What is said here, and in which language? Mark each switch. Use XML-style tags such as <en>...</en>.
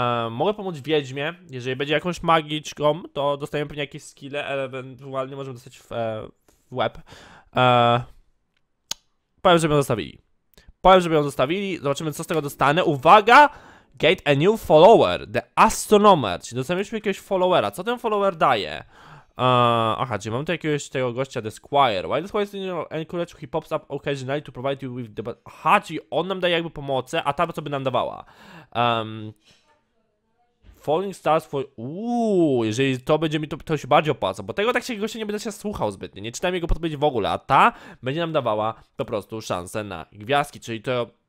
<pl>Mogę pomóc wiedźmie, jeżeli będzie jakąś magiczką, to dostajemy pewnie jakieś skille, ale ewentualnie możemy dostać w łeb. Powiem, żeby ją zostawili, zobaczymy co z tego dostanę. Uwaga!</pl> <en>Get a new follower, the astronomer,</en> <pl>czyli dostaniemy jakiegoś followera, co ten follower daje? Czyli mam tu jakiegoś tego gościa, The Squire.</pl> <en>Why the Squire is in your encourage, he pops up occasionally to provide you with the...</en> <pl>Aha, czyli on nam daje jakby pomocę, a ta co by nam dawała?</pl> <en>Falling stars for...</en> <pl>jeżeli to będzie mi, to się bardziej opłaca, bo tego tak się gościa nie będę się słuchał zbytnio, nie czytałem jego podpowiedzi w ogóle, a ta będzie nam dawała po prostu szansę na gwiazdki, czyli to...</pl>